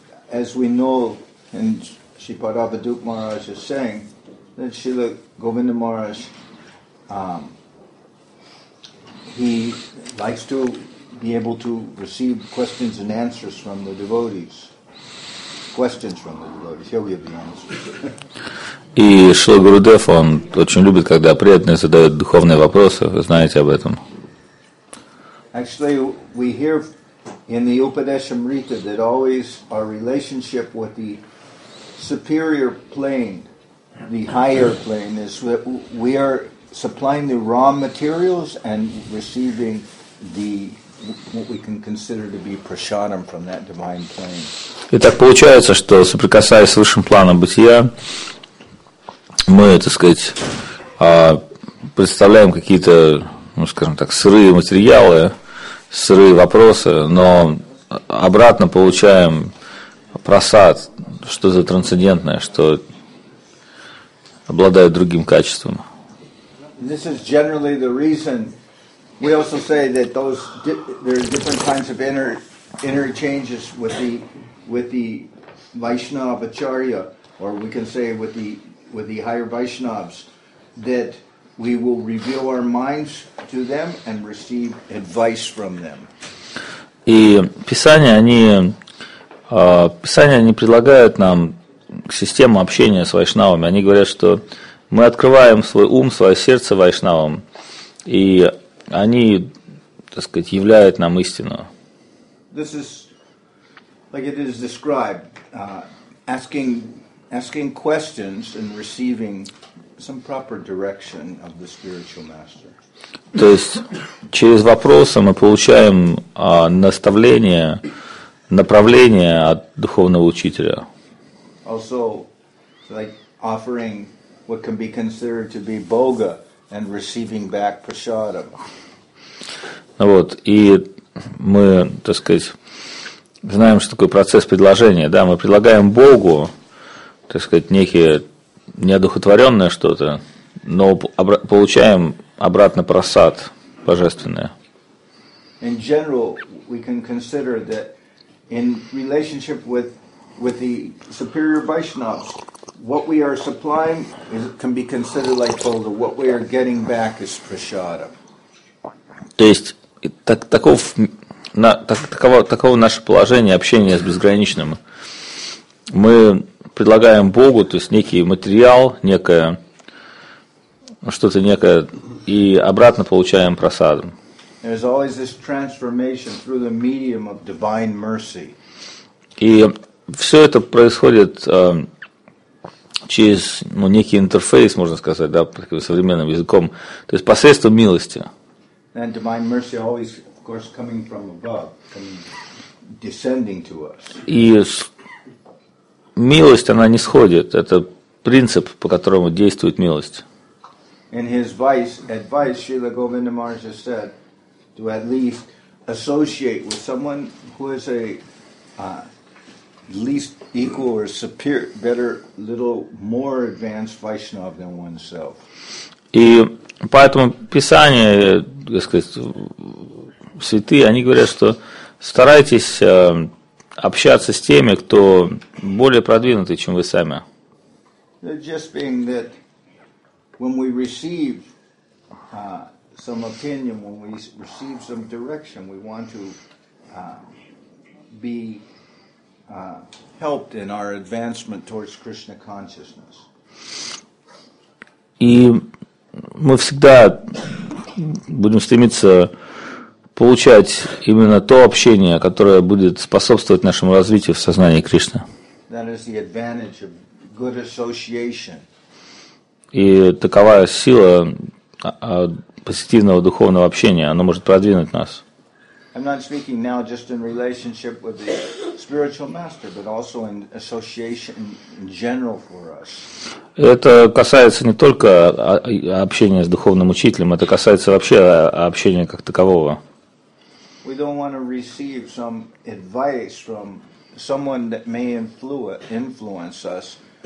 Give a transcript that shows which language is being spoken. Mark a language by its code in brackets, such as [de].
[en] As we know, and Shripadabhadup Maharaj is saying, that Srila Govindamaraj he likes to be able to receive questions and answers from the devotees. Questions from the devotees. Here we have the answers. [ru] И Шрила Гурудев, он очень любит, когда преданные задают духовные вопросы. Вы знаете об этом. [en] Actually, we hear in the Upadeshamrita that always our relationship with the superior plane, the higher plane, is that we are supplying the raw materials and receiving the what we can consider to be prasadam from that divine plane. [ru] И так получается, что соприкасаясь с высшим планом бытия, мы, так сказать, представляем какие-то, ну, скажем так, сырые материалы, сырые вопросы, но обратно получаем просад, что-то трансцендентное, что обладает другим качеством. [en] This is generally the reason we also say that those there are different kinds of interchanges with the Vaishnava Acharya, or we can say with the higher Vaishnavas, that we will reveal our minds to them and receive advice from them. [ru] И писания они предлагают нам систему общения с вайшнавами. Они говорят, что мы открываем свой ум, свое сердце вайшнавам, и они, так сказать, являют нам истину. [en] This is like it is described, asking questions and receiving some proper direction of the spiritual master. [ru] То есть через вопросы мы получаем наставление, направление от духовного учителя. [en] Also, like offering what can be considered to be boga and receiving back prasadam. [ru] Ну вот, и мы, так сказать, знаем, что такое процесс предложения, да, мы предлагаем богу, так сказать, некие неодухотворённое что-то, но получаем обратно просад божественное. [en] In general, we can consider that in relationship with the superior Vaishnavas, what we are supplying is, can be considered like boga. What we are getting back is prasadam. [ru] То есть таково наше положение общения с безграничным. Мы предлагаем Богу, то есть некий материал, некое что-то некое, и обратно получаем прасадам. [en] There is always this transformation through the medium of divine mercy. [ru] И все это происходит через ну, некий интерфейс, можно сказать, да, современным языком, то есть посредством милости. [en] And divine mercy always, of course, coming from above, coming, descending to us. [ru] И милость, она не сходит. Это принцип, по которому действует милость. [en] In his vice, advice, Srila Govinda Maharaja said to at least associate with someone who is a least equal or superior, better, little more advanced Vaishnava than oneself. [ru] И поэтому Писание, так сказать, святые, они говорят, что старайтесь общаться с теми, кто более продвинутый, чем вы сами. [en] Just being that when we receive some opinion, when we receive some direction, we want to be helped in our advancement towards Krishna consciousness. [ru] И мы всегда будем стремиться получать именно то общение, которое будет способствовать нашему развитию в сознании Кришны. [en] That is the advantage of good association. [ru] И такова сила позитивного духовного общения, оно может продвинуть нас. [en] I'm not speaking now just in relationship with the spiritual master, but also in association in general for us. [ru] Это касается не только общения с духовным учителем, это касается вообще общения как такового. [en] We don't want to receive some advice from someone that may influence us.